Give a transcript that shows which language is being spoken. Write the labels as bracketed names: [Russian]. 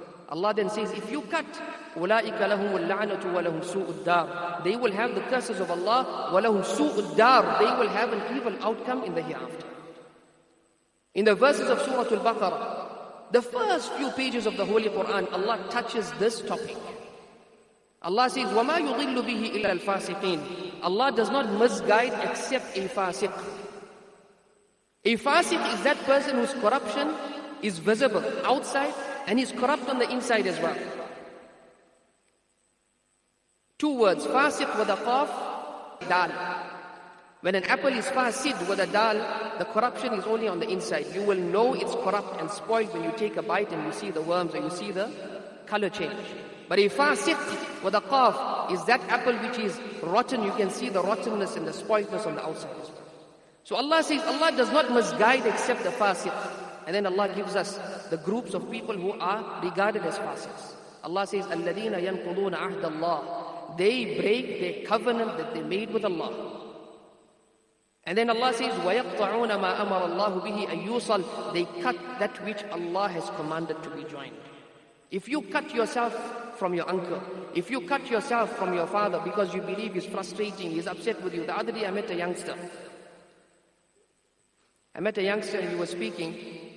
[English] Allah then says, if you cut, [Arabic] أُولَٰئِكَ لَهُمُ اللَّعْنَةُ وَلَهُمْ سُوءُ الدَّارِ. [English] They will have the curses of Allah. [Arabic] وَلَهُمْ سُوءُ الدَّارِ. [English] They will have an evil outcome in the hereafter. In the verses of Surah Al-Baqarah, the first few pages of the Holy Quran, Allah touches this topic. Allah says, [Arabic] وَمَا يُضِلُّ بِهِ إِلَّا الْفَاسِقِينَ. [English] Allah does not misguide except a fasiq. A fasiq is that person whose corruption is visible outside and is corrupt on the inside as well. Two words, fasiq with a qaf, dal. When an apple is fasid with a dal, the corruption is only on the inside. You will know it's corrupt and spoiled when you take a bite and you see the worms or you see the color change. But a fasiq with a qaf is that apple which is rotten. You can see the rottenness and the spoiltness on the outside. So Allah says, Allah does not misguide except the fasiq. And then Allah gives us the groups of people who are regarded as fasiqs. Allah says, [Arabic] الَّذِينَ يَنْقُضُونَ عَهْدَ اللَّهِ. [English] They break their covenant that they made with Allah. And then Allah says, [Arabic] وَيَقْطَعُونَ مَا أَمَرَ اللَّهُ بِهِ أَن يُوصَلْ. [English] They cut that which Allah has commanded to be joined. If you cut yourself from your uncle, if you cut yourself from your father because you believe he's frustrating, he's upset with you. The other day I met a youngster and he was speaking.